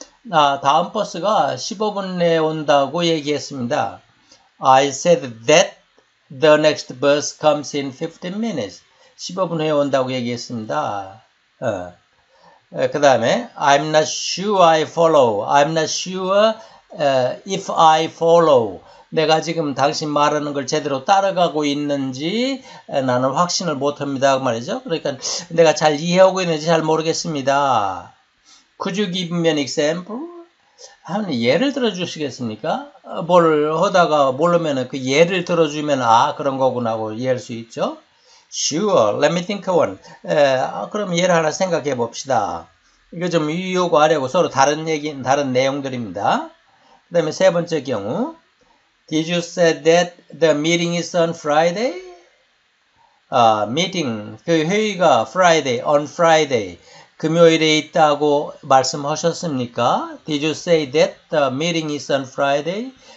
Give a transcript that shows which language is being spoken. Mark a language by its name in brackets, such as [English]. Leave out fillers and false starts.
[Korean] 다음 버스가 15분 내에 온다고 얘기했습니다. [English] I said that the next bus comes in 15 minutes. [Korean] 15분 후에 온다고 얘기했습니다. 그 다음에 [English] I'm not sure I follow. I'm not sure if I follow. [Korean] 내가 지금 당신 말하는 걸 제대로 따라가고 있는지 나는 확신을 못 합니다. 말이죠. 그러니까 내가 잘 이해하고 있는지 잘 모르겠습니다. [English] Could you give me an example? [Korean] 한 예를 들어 주시겠습니까? 뭘 하다가 모르면 그 예를 들어 주면 아, 그런 거구나 하고 이해할 수 있죠? [English] Sure. Let me think one. [Korean] 그럼 예를 하나 생각해 봅시다. 이거 좀 유의하고 하려고 서로 다른 얘기, 다른 내용들입니다. 그다음에 세 번째 경우. [English] Did you say that the meeting is on Friday? Meeting, [Korean] 그 회의가 [English] Friday, on Friday, [Korean] 금요일에 있다고 말씀하셨습니까? [English] Did you say that the meeting is on Friday?